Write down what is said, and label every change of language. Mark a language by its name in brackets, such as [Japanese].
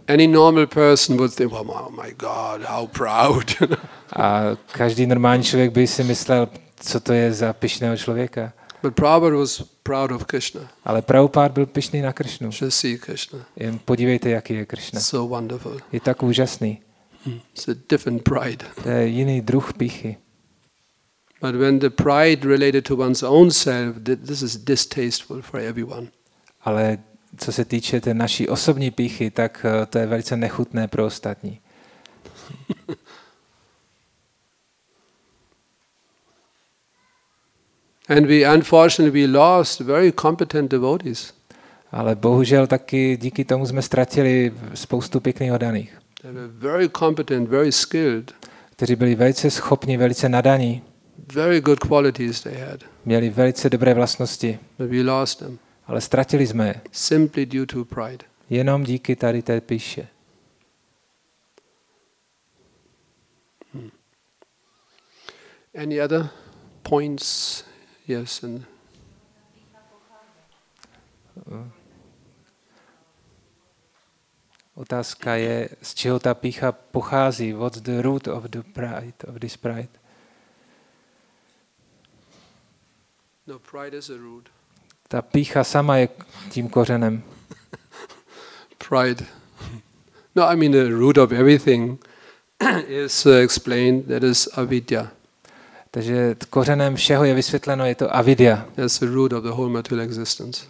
[English] Any normal person would think, oh my God, how proud. [Czech] A každý normální člověk by si myslel, co to je za pyšného člověka. [English] But Prabhupada was proud of Krishna. [Czech] Ale Prabhupada byl pyšný na Krishnu. [English] Just see Krishna. [Czech] Jen podívejte, jaký je Krishna. [English] So wonderful. [Czech] Je tak úžasný. [English] It's a different pride. [Czech] To je jiný druh pýchy. [English] But when the pride related to one's own self, this is distasteful for everyone. [Czech] Ale co se týče té naší osobní pýchy, tak to je velice nechutné pro ostatní. [English] And we unfortunately we lost very competent devotees. [Czech] Ale bohužel taky díky tomu jsme ztratili spoustu pěkných oddaných. [English] They were very competent, very skilled. [Czech] Kteří byli velice schopní, velice nadaní. [English] Very good qualities they had. [Czech] Měli velice dobré vlastnosti. [English] But we lost them. [Czech] Ale ztratili jsme je. [English] Simply due to pride. [Czech] Jenom díky tady té pýše. [English] Any other points? Yes, and [Czech] otázka je, z čeho ta pýcha pochází? [English] What's the root of the pride, of this pride? No, pride is a root. [Czech] Ta pýcha sama je tím kořenem. [English] Pride. No, I mean the root of everything is explained, that is avidya. [Czech] Takže kořenem všeho je vysvětleno, je to avidya. [English] That's the root of the whole material existence.